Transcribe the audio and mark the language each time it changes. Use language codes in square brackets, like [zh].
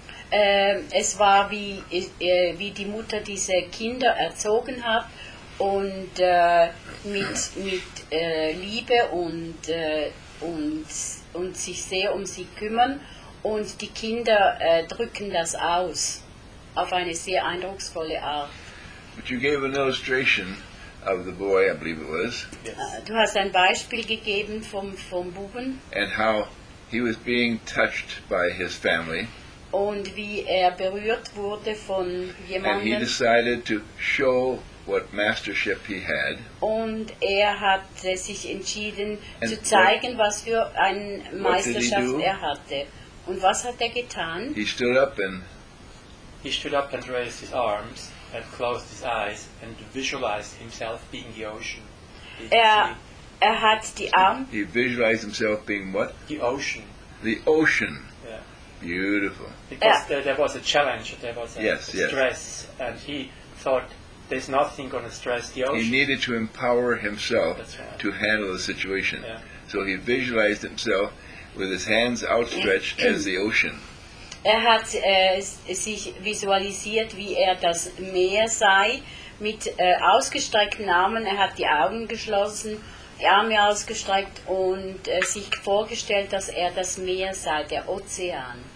[de] Es war wie die Mutter diese Kinder erzogen hat und mit Liebe und sich sehr um sie kümmern, und die Kinder drücken das aus auf eine sehr eindrucksvolle Art. [en] But you gave an illustration of the boy, I believe it was. [de] Du hast ein Beispiel gegeben vom Buben. [en] And how he was being touched by his family. [de] Und wie berührt wurde von jemandem. [en] And he decided to show what mastership he had. [de] Und hat sich entschieden zu zeigen, was für eine Meisterschaft hatte. Und was hat getan? [en] He stood up and raised his arms. And closed his eyes and visualized himself being the ocean. He visualized himself being what? The ocean. The ocean. Yeah. Beautiful. Because there was a challenge, there was a stress, and he thought there's nothing going to stress the ocean. He needed to empower himself right. to handle the situation. Yeah. So he visualized himself with his hands outstretched as the ocean. [de] Er hat sich visualisiert, wie er das Meer sei, mit ausgestreckten Armen. Er hat die Augen geschlossen, die Arme ausgestreckt und sich vorgestellt, dass er das Meer sei, der Ozean.